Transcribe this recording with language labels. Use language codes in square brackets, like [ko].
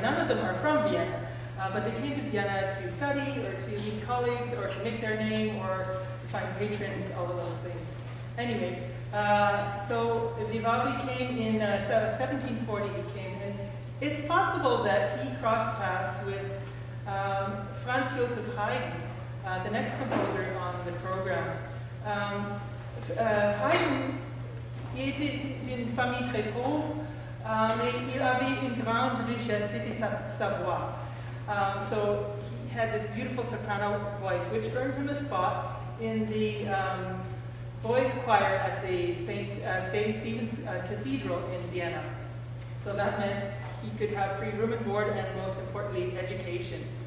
[en] None of them are from Vienna. But they came to Vienna to study, or to meet colleagues, or to make their name, or to find patrons, all of those things. Anyway, so Vivaldi came in 1740, he came in. It's possible that he crossed paths with Franz Josef Haydn, the next composer on the program. [fr] Haydn, il était d'une famille très pauvre, mais il avait une grande richesse, c'était sa voix. [en] So he had this beautiful soprano voice, which earned him a spot in the boys' choir at the St. Stephen's Cathedral in Vienna. So that meant he could have free room and board, and most importantly, education.